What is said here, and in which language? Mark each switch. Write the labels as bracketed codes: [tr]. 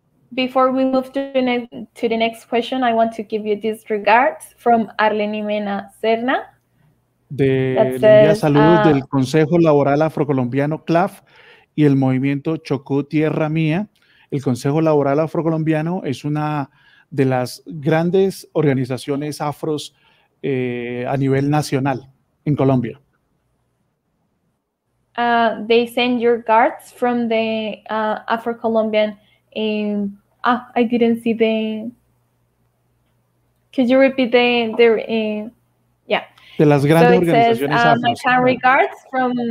[en] Before we move to the next question, I want to give you these regards from Arlene Mena Cerna. [es] De Lidia Saludos del Consejo Laboral Afrocolombiano CLAF y el Movimiento Chocó Tierra Mía. El Consejo Laboral Afrocolombiano es una de las grandes organizaciones afros a nivel nacional en Colombia. [en] They send your regards from the Afro-Colombian I didn't see the. Could you repeat the yeah. [es] De las grandes organizaciones afro. [en] My kind regards from